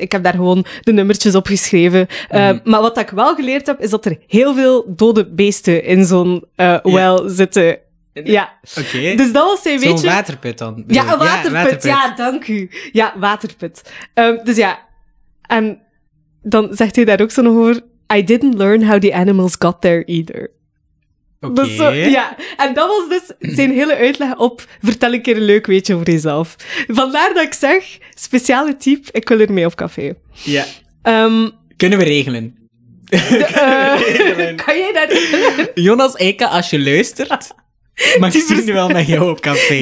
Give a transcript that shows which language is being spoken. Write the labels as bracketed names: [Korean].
[Dutch] Ik heb daar gewoon de nummertjes op geschreven. Maar wat ik wel geleerd heb, is dat er heel veel dode beesten in zo'n well zitten. Ja. Oké. Okay. Dus dat was zijn weetje... Zo'n waterput dan. Ja, een waterput. Ja, dank u. Ja, waterput. Dus ja. En dan zegt hij daar ook zo nog over... [English] I didn't learn how the animals got there either. Okay. [Dutch] Dus zo, ja, en dat was dus zijn hele uitleg op vertel een keer een leuk weetje over jezelf. Vandaar dat ik zeg, speciale type, ik wil er mee op café. Ja. Kunnen we regelen? Kan jij dat regelen? Jonas Eiken, als je luistert, mag ik nu wel met jou op café.